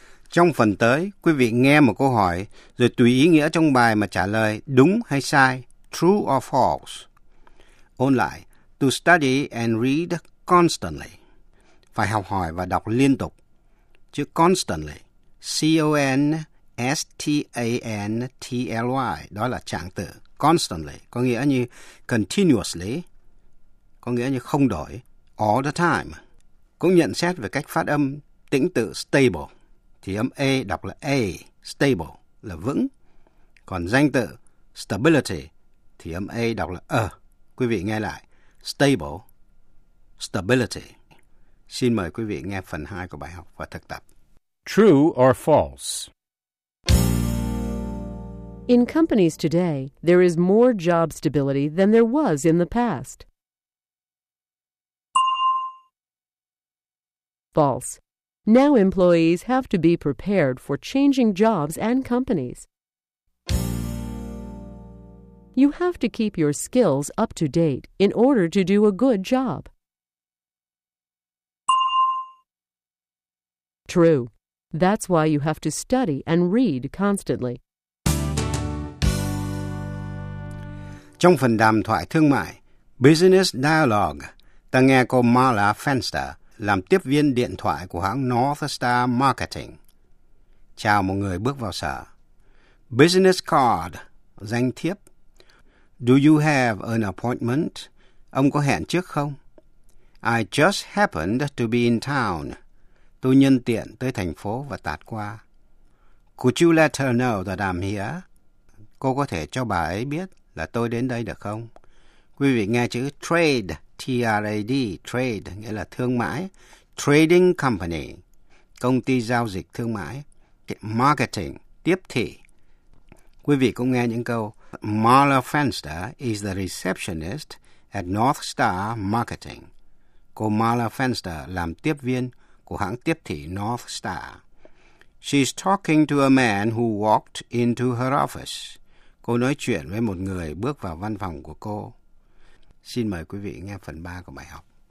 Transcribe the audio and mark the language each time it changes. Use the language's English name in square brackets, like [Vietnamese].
[Vietnamese] Trong phần tới, quý vị nghe một câu hỏi, rồi tùy ý nghĩa trong bài mà trả lời đúng hay sai, [English] true or false. [Vietnamese] Ôn lại, [English] to study and read constantly. [Vietnamese] Phải học hỏi và đọc liên tục. Chữ constantly, C-O-N-S-T-A-N-T-L-Y, đó là trạng từ. Constantly, có nghĩa như continuously, có nghĩa như không đổi, [English] all the time. [Vietnamese] Cũng nhận xét về cách phát âm tĩnh tự stable. Thì âm A đọc là A, stable, là vững. Còn danh từ stability, thì âm A đọc là A. Quý vị nghe lại, stable, stability. Xin mời quý vị nghe phần 2 của bài học và thực tập. [English] True or false? In companies today, there is more job stability than there was in the past. False. Now employees have to be prepared for changing jobs and companies. You have to keep your skills up to date in order to do a good job. True. That's why you have to study and read constantly. [Vietnamese] Trong phần đàm thoại thương mại, Business Dialogue, ta nghe cô Marla Fenster làm tiếp viên điện thoại của hãng North Star Marketing. Chào một người bước vào sở. [English] Business card, [Vietnamese] danh thiếp. [English] Do you have an appointment? [Vietnamese] Ông có hẹn trước không? [English] I just happened to be in town. [Vietnamese] Tôi nhân tiện tới thành phố và tạt qua. [English] Could you let her know that I'm here? [Vietnamese] Cô có thể cho bà ấy biết là tôi đến đây được không? Quý vị nghe chữ trade. T-R-A-D, trade, nghĩa là thương mại. Trading company, công ty giao dịch thương mại. Marketing, tiếp thị. Quý vị cũng nghe những câu. [English] Marla Fenster is the receptionist at North Star Marketing. [Vietnamese] Cô Marla Fenster làm tiếp viên của hãng tiếp thị North Star. [English] She's talking to a man who walked into her office. [Vietnamese] Cô nói chuyện với một người bước vào văn phòng của cô. Xin mời quý vị nghe phần 3 của bài học.